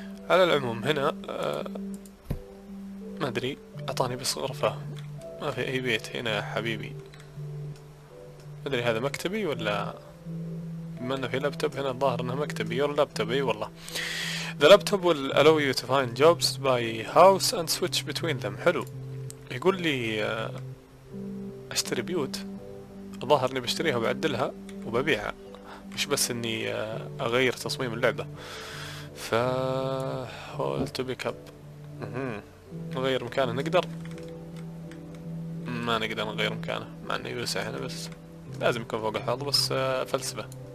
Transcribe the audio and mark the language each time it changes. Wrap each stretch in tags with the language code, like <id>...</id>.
<ar>على العموم هنا ما أدري، أعطاني بس غرفة، ما في أي بيت هنا يا حبيبي. ما أدري هذا مكتبي ولا، بما أنه في لابتوب هنا الظاهر أنه مكتبي.</ar> <en>Your laptop, أي والله. The laptop will allow you to find jobs by house and switch between them.</en> <ar>حلو، يقول لي اشتري بيوت، الظاهر اني بشتريها وبعدلها وببيعها، مش بس اني اغير تصميم اللعبة.</ar> <en>ف hold to pick up, نغير مكانه.</en> <ar>نقدر؟ ما نقدر نغير مكانه، مع انه يوسع هنا بس لازم يكون فوق الحوض. بس فلسفة.</ar>